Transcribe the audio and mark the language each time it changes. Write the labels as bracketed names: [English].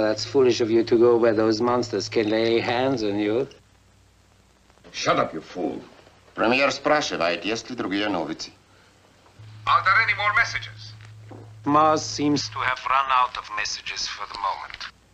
[English] that's foolish of you to go where those monsters can lay hands on you. Shut up, you fool. [Russian] Premier спрашивает, есть ли другие новости. [English] Are there any more messages? Mars seems to have run out of messages for the moment.